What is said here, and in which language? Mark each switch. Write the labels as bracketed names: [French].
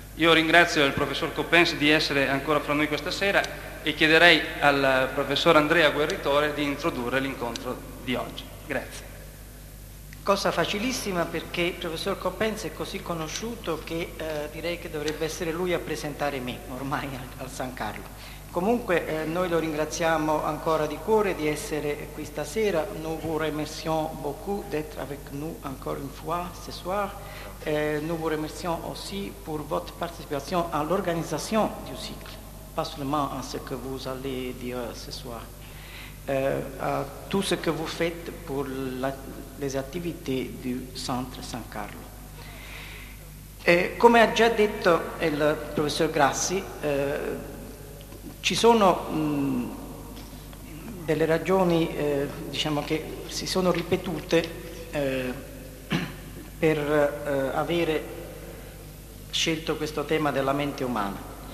[Italian] Io ringrazio il professor Coppens di essere ancora fra noi questa sera e chiederei al professor Andrea Guerritore di introdurre l'incontro di oggi. Grazie. Cosa facilissima, perché il professor Coppens è così conosciuto che direi che dovrebbe essere lui a presentare me ormai al San Carlo. Comunque noi lo ringraziamo ancora di cuore di essere qui stasera. [French] Nous vous remercions beaucoup d'être avec nous encore une fois ce soir. Nous vous remercions aussi pour votre participation à l'organisation du cycle, pas seulement à ce que vous allez dire ce soir, à tout ce que vous faites pour les activités du Centre San Carlo. [Italian] Come ha già detto il professor Grassi, ci sono delle ragioni diciamo che si sono ripetute per avere scelto questo tema della mente umana.